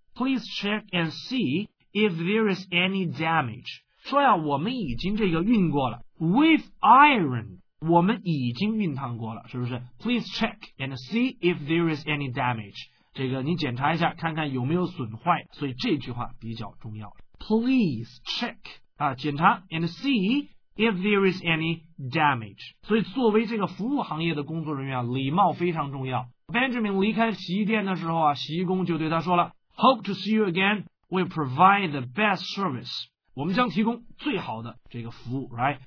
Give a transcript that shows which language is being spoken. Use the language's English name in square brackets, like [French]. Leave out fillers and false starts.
[English] Please check and see if there is any damage. [Chinese] 说呀，我们已经这个熨过了。 [English] With iron, [Chinese] 我们已经熨烫过了，是不是 [English] ?Please check and see if there is any damage. [Chinese] 这个你检查一下，看看有没有损坏，所以这句话比较重要。 [English] Please check, [Chinese] 啊，检查 [English] and see if there is any damage. [Chinese] 所以作为这个服务行业的工作人员，礼貌非常重要。Benjamin 离开洗衣店的时候啊，洗衣工就对他说了 , [English] Hope to see you again. will provide the best service. [Chinese] 我们将提供最好的这个服务 [English] right?